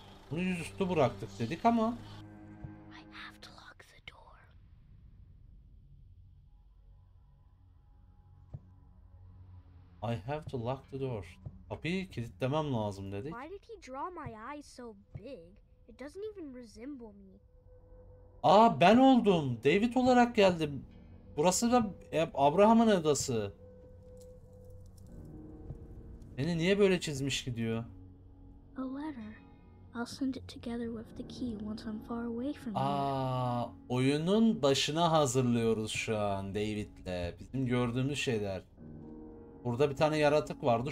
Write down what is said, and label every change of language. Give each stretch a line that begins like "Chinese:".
Turkish: Bunu yüzüstü bıraktık dedik ama.
English: I have to lock the door. I have to lock the door.
Turkish: Kapıyı kilitlemem lazım dedik.
English: Why did he draw my eyes so big? It doesn't even resemble me.
Turkish: Aa, ben oldum. David olarak geldim. Burası da Abraham'ın odası. Beni niye böyle çizmiş ki diyor.
English: A letter. I'll send it together with the key once I'm far away from you.
Turkish: Aa, oyunun başına hazırlıyoruz şu an David'le. Bizim gördüğümüz şeyler. Burada bir tane yaratık vardı.